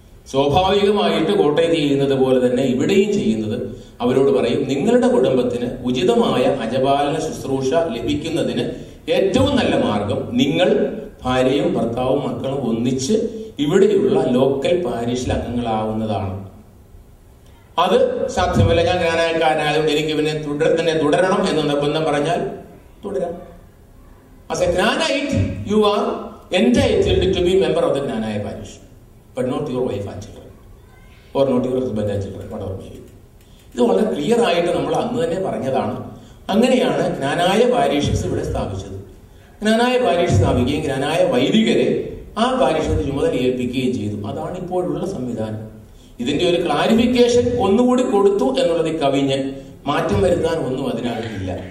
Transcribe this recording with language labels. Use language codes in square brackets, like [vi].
[ml] സ്വാഭാവികമായിട്ട് കോട്ടയത്ത് ചെയ്യുന്നത് പോലെ തന്നെ ഇവിടെയും ചെയ്യുന്നത് അവരോട് പറയും, നിങ്ങളുടെ കുടുംബത്തിന് ഉചിതമായ അജപാലന ശുശ്രൂഷ ലഭിക്കുന്നതിന് ഏറ്റവും നല്ല മാർഗം നിങ്ങൾ ഭാര്യയും ഭർത്താവും മക്കളും ഒന്നിച്ച് ഇവിടെയുള്ള ലോക്കൽ പാരിഷിൽ അംഗങ്ങളാവുന്നതാണ്. അത് സാധ്യമല്ല, ഞാൻ ജ്ഞാനായക്കാരനായതുകൊണ്ട് എനിക്ക് ഇവനെ തുടരെ തന്നെ തുടരണം എന്ന് നിർബന്ധം പറഞ്ഞാൽ തുടരാം. [en] As a Knanite, you are entitled to be a member of the Knanite parish. But not your wife and children. Or not your husband and children, whatever may be. [ml] ഇത് വളരെ ക്ലിയർ ആയിട്ട് നമ്മൾ അന്ന് തന്നെ പറഞ്ഞതാണ്. അങ്ങനെയാണ് ജ്ഞാനായ പാരീഷസ് ഇവിടെ സ്ഥാപിച്ചത്. ജ്ഞാനായ പാരീഷ് സ്ഥാപിക്കുകയും ജ്ഞാനായ വൈദികരെ ആ പാരീഷത്തിൽ ചുമതലയേൽപ്പിക്കുകയും ചെയ്തു. അതാണ് ഇപ്പോഴുള്ള സംവിധാനം. ഇതിന്റെ ഒരു ക്ലാരിഫിക്കേഷൻ ഒന്നുകൂടി കൊടുത്തു എന്നുള്ളത് കവിഞ്ഞ് മാറ്റം വരുത്താൻ ഒന്നും അതിനായിട്ടില്ല.